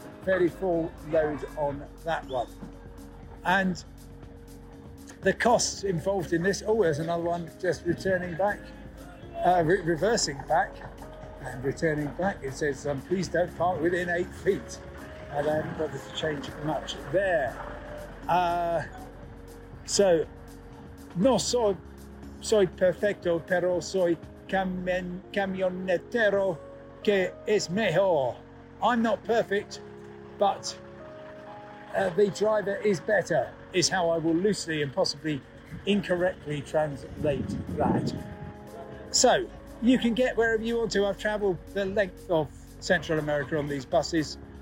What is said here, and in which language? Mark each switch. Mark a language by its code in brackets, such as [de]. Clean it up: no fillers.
[en] Very full load on that one. And the costs involved in this. Oh, there's another one just returning back, reversing back and returning back. It says, please don't park within 8 feet. And I haven't bothered to change much there. [es] So, no soy perfecto, pero soy camionetero que es mejor. [en] I'm not perfect, but the driver is better, is how I will loosely and possibly incorrectly translate that. So, you can get wherever you want to. I've traveled the length of Central America on these buses.